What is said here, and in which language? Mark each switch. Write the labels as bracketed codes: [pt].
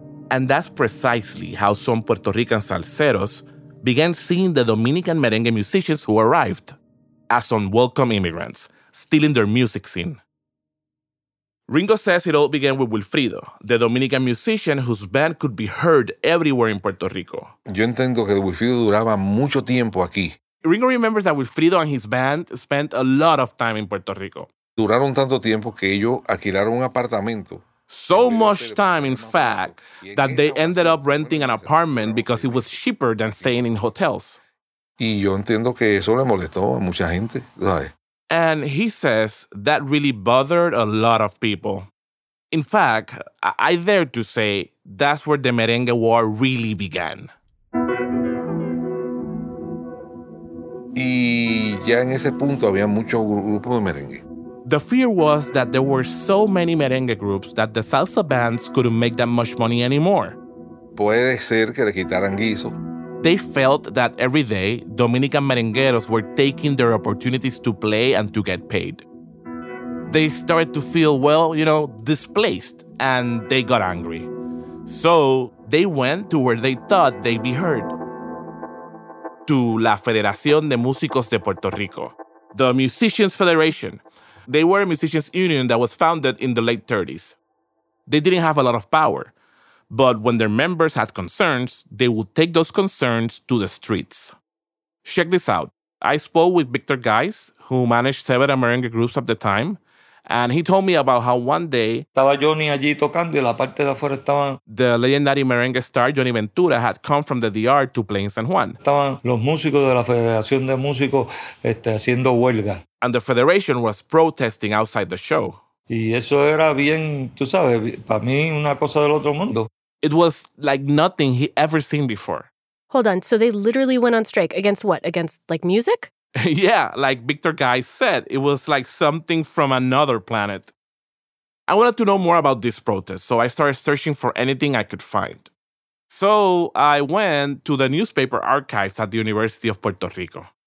[en] And that's precisely how some Puerto Rican salseros began seeing the Dominican merengue musicians who arrived as unwelcome immigrants, stealing their music scene. Ringo says it all began with Wilfrido, the Dominican musician whose band could be heard everywhere in Puerto Rico. [es] Yo entiendo que Wilfrido duraba mucho tiempo aquí. [en] Ringo remembers that Wilfrido and his band spent a lot of time in Puerto Rico. [es] Duraron tanto tiempo que ellos alquilaron un apartamento. [en] So much time, in fact, that they ended up renting an apartment because it was cheaper than staying in hotels. [es] Y yo entiendo que eso le molestó a mucha gente, ¿sabes? [en] And he says that really bothered a lot of people. In fact, I dare to say that's where the Merengue War really began. [es] Y ya en ese punto había muchos grupos de merengue. [en] The fear was that there were so many merengue groups that the salsa bands couldn't make that much money anymore. [es] Puede ser que le quitaran guiso. [en] They felt that every day, Dominican merengueros were taking their opportunities to play and to get paid. They started to feel, well, you know, displaced, and they got angry. So they went to where they thought they'd be heard. To La Federación de Músicos de Puerto Rico, the Musicians Federation. They were a musicians' union that was founded in the late 30s. They didn't have a lot of power. But when their members had concerns, they would take those concerns to the streets. Check this out. I spoke with Victor Geis, who managed several merengue groups at the time, and he told me about how one day [es] estaba Johnny allí tocando y la parte de afuera estaban [en] the legendary merengue star Johnny Ventura had come from the DR to play in San Juan. [es] Estaban los músicos de la Federación de Músicos haciendo huelga. [en] And the Federation was protesting outside the show. [es] Y eso era bien, tú sabes, para mí una cosa del otro mundo. [en] It was like nothing he ever seen before. Hold on, so they literally went on strike against what? Against, like, music? Yeah, like Victor Guy said, it was like something from another planet. I wanted to know more about this protest, so I started searching for anything I could find. So I went to the newspaper archives at the University of Puerto Rico.